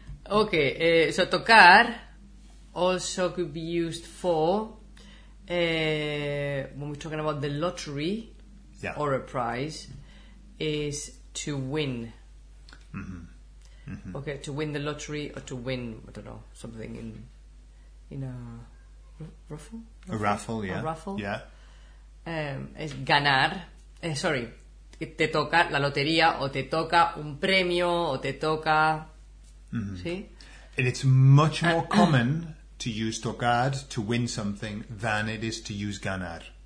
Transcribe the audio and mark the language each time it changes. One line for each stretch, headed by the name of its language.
English: Ok, so tocar also could be used for when we're talking about the lottery or a prize is to win. Mm-hmm. Mm-hmm. Ok, to win the lottery or to win, I don't know, something in a raffle? A raffle.
Spanish: Es ganar, sorry, te toca la lotería o te toca un premio o te toca,
English: And it's much more common to use tocar to win something than it is to use ganar.